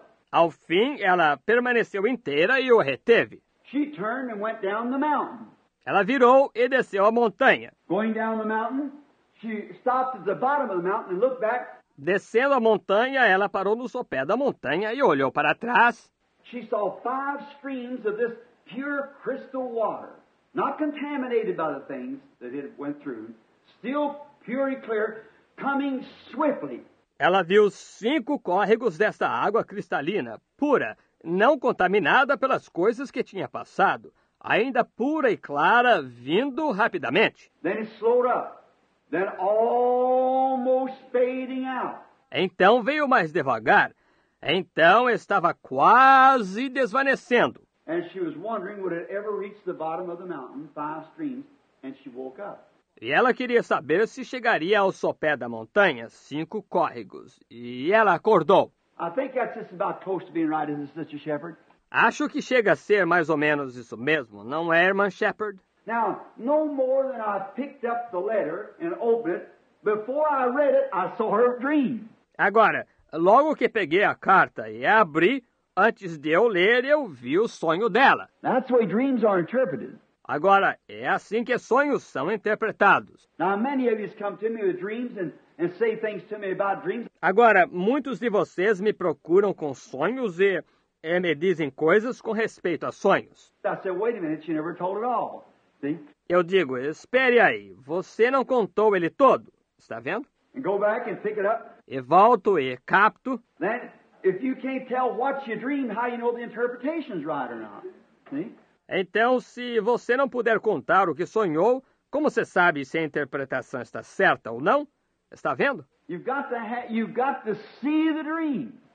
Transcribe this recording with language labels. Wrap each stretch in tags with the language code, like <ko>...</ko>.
<pt>Ao fim, ela permaneceu inteira e o reteve.</pt> <en>She turned and went down the mountain.</en> <pt>Ela virou e desceu a montanha.</pt> <en>Going down the mountain, she stopped at the bottom of the mountain and looked back.</en> <pt>Descendo a montanha, ela parou no sopé da montanha e olhou para trás.</pt> <en>She saw five streams of this pure crystal water. Not contaminated by the things that it went through, still pure and clear, coming swiftly.</en> <pt>Ela viu cinco córregos desta água cristalina, pura, não contaminada pelas coisas que tinha passado, ainda pura e clara, vindo rapidamente.</pt> <en>Then it slowed up, then almost fading out.</en> <pt>Então veio mais devagar, então estava quase desvanecendo.</pt> <en>And she was wondering would it ever reach the bottom of the mountain, five streams, and she woke up.</en> <pt>E ela queria saber se chegaria ao sopé da montanha, cinco córregos. E ela acordou.</pt> <en>I think that's just about close to being right, isn't it, Sister Shepherd?</en> <pt>Acho que chega a ser mais ou menos isso mesmo, não é, irmã Shepherd?</pt> <en>Now, no more than I picked up the letter and opened it, before I read it, I saw her dream.</en> <pt>Agora, logo que peguei a carta e abri, antes de eu ler, eu vi o sonho dela.</pt> <en>That's the way dreams are interpreted.</en> <pt>Agora, é assim que sonhos são interpretados.</pt> <en>Now, many of you come to me with dreams and say things to me about dreams.</en> <pt>Agora, muitos de vocês me procuram com sonhos e me dizem coisas com respeito a sonhos.</pt> <en>I said, wait a minute, you never told it all. See?</en> <pt>Eu digo, espere aí, você não contou ele todo, está vendo?</pt> <en>And go back and pick it up.</en> <pt>E volto e capto.</pt> <en>Then, if you can't tell what you dreamed, how you know the interpretation's right or not? See?</en> <pt>Então, se você não puder contar o que sonhou, como você sabe se a interpretação está certa ou não? Está vendo?</pt> <en>You've got to see the dream.</en>